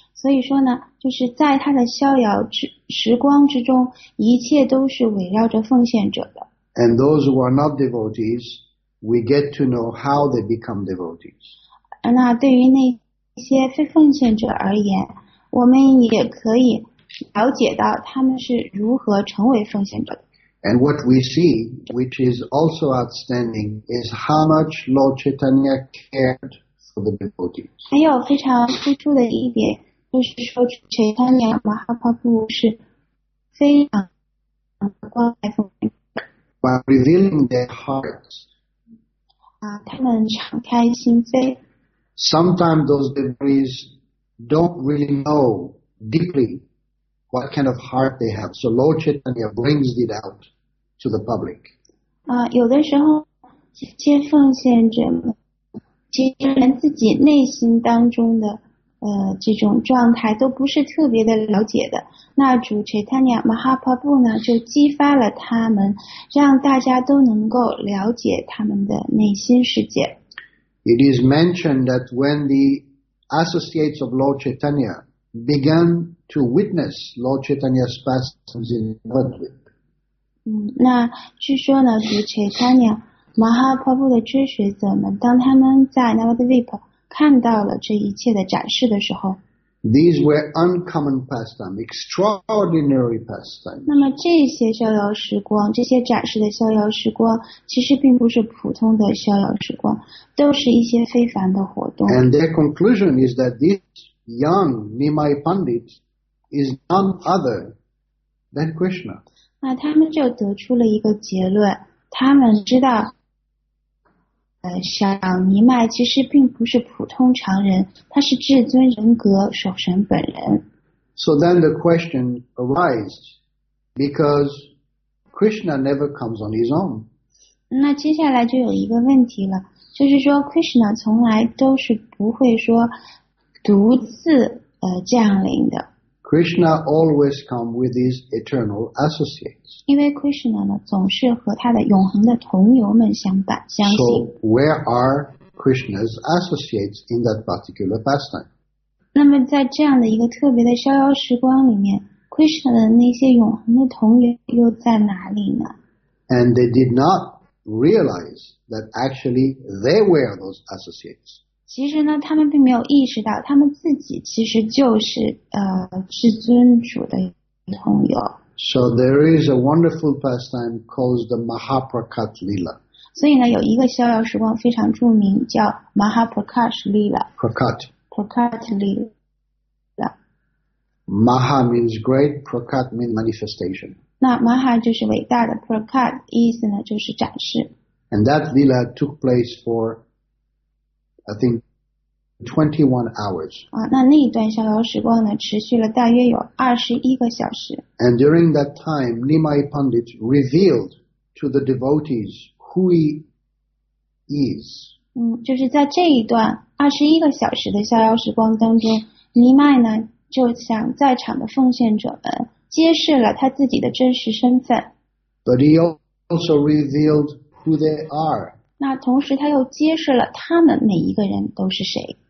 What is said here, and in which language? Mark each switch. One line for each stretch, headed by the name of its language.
Chinese: 所以说呢，就是在他的逍遥时光之中，一切都是围绕着奉献者的。
English: And those who are not devotees, we get to know how they become devotees.
Chinese: 那对于那些非奉献者而言，我们也可以了解到他们是如何成为奉献者的。
English: And what we see, which is also outstanding, is how much Lord Chaitanya cared for the devotees.
Chinese: 还有非常突出的一点，就是说 Chaitanya Mahaprabhu 是非常关爱奉献者。
English: By revealing their hearts,
Chinese: 他们敞开心扉。
English: Sometimes those devotees don't really know deeply what kind of heart they have. So Lord Chaitanya brings it out to the public.
Chinese: 有的时候这些奉献者们其实连自己内心当中的这种状态都不是特别的了解的。那主 Chaitanya Mahaprabhu 呢就激发了他们，让大家都能够了解他们的内心世界。
English: It is mentioned that when the associates of Lord Chaitanya began to witness Lord Chaitanya's pastimes in Vrindavan.
Chinese: 那据说呢，主 Chaitanya Mahaprabhu 的支持者们，当他们在 Vrindavan 看到了这一切的展示的时候，
English: These were uncommon pastimes, extraordinary pastimes.
Chinese: 那么这些逍遥时光，这些展示的逍遥时光，其实并不是普通的逍遥时光，都是一些非凡的活动。
English: And their conclusion is that this young Nimai Pandit is none other than Krishna.
Chinese: 那他们就得出了一个结论，他们知道小尼麦其实并不是普通常人，他是至尊人格守神本人。
English: So then the question arises, because Krishna never comes on his own.
Chinese: 那接下来就有一个问题了，就是说 Krishna 从来都是不会说独自降临的。
English: Krishna always comes with his eternal associates.
Chinese: 因为 Krishna 呢总是和他的永恒的同游们相伴相行。
English: So where are Krishna's associates in that particular pastime?
Chinese: 那么在这样的一个特别的逍遥时光里面， Krishna 的那些永恒的同游又在哪里呢？
English: And they did not realize that actually they were those associates.
Chinese: 其实呢，他们并没有意识到，他们自己其实就是至尊主的同游。
English: So there is a wonderful pastime called the Mahaprakash Lila.
Chinese: 所以呢，有一个逍遥时光非常著名，叫 Mahaprakash Lila.
English: Prakat. Prakat Lila. Maha means great, Prakat means manifestation.
Chinese: 那 Maha 就是伟大的 ，Prakat 意思呢就是展示。
English: And that Lila took place for. I think 21 hours.
Chinese: 那那一段逍遥时光呢，持续了大约有21个小时。
English: And during that time, Nimai Pandit revealed to the devotees who he is.
Chinese: 就是在这一段21个小时的逍遥时光当中，尼麦呢就向在场的奉献者们揭示了他自己的真实身份。
English: But he also revealed who they are.
Chinese: 那同时他又揭示了他们每一个人都是谁。